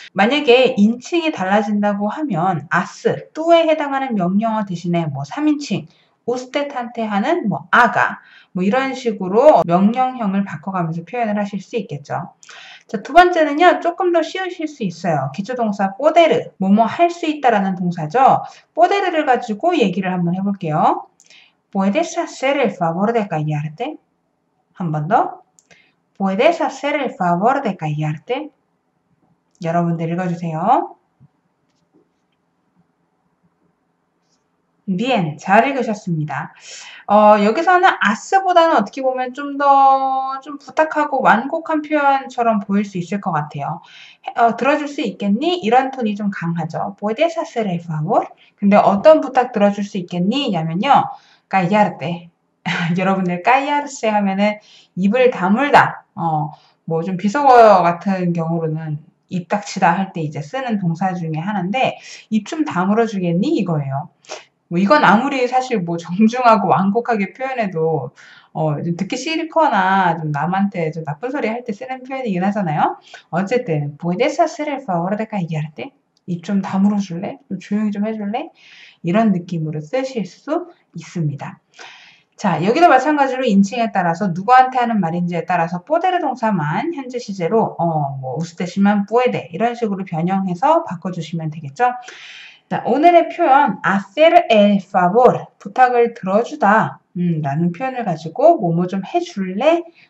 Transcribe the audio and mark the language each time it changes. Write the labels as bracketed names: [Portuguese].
[Korean] 만약에 인칭이 달라진다고 하면, 아스, 뚜에 해당하는 명령어 대신에 뭐 3인칭, 우스텟한테 하는 뭐 아가, 뭐 이런 식으로 명령형을 바꿔가면서 표현을 하실 수 있겠죠. 자, 두 번째는요, 조금 더 쉬우실 수 있어요. 기초동사 뽀데르, 뭐뭐 할수 있다라는 동사죠. 뽀데르를 가지고 얘기를 한번 해볼게요. [Spanish] Puedes hacer el favor de callarte? [Korean] 한번 더. [Spanish] Puedes hacer el favor de callarte? [Korean] 여러분들 읽어주세요. Bien, 잘 읽으셨습니다. 여기서는 아스보다는 어떻게 보면 좀더좀 부탁하고 완곡한 표현처럼 보일 수 있을 것 같아요. 들어줄 수 있겠니? 이런 톤이 좀 강하죠. [Spanish] Puedes hacer el favor? [Korean] 근데 어떤 부탁 들어줄 수 있겠니?냐면요, callarte. 여러분들 callarse 하면은 입을 다물다. 뭐좀 비속어 같은 경우로는 입 닥치다 할때 이제 쓰는 동사 중에 하나인데 입좀 다물어 주겠니? 이거예요. 뭐 이건 아무리 사실 뭐 정중하고 완곡하게 표현해도 좀 듣기 싫거나 좀 남한테 좀 나쁜 소리 할때 쓰는 표현이긴 하잖아요. 어쨌든 [Spanish] Puedes hacer el favor de callarte? [Korean] 입좀 다물어 줄래? 좀 조용히 좀 해줄래? 이런 느낌으로 쓰실 수 있습니다. 자, 여기도 마찬가지로 인칭에 따라서 누구한테 하는 말인지에 따라서 뽀데르 동사만 현재 시제로 뭐 우스테시만 뿌에데 이런 식으로 변형해서 바꿔주시면 되겠죠. 자, 오늘의 표현, hacer el favor, 부탁을 들어주다, 라는 표현을 가지고, 뭐뭐 좀 해줄래?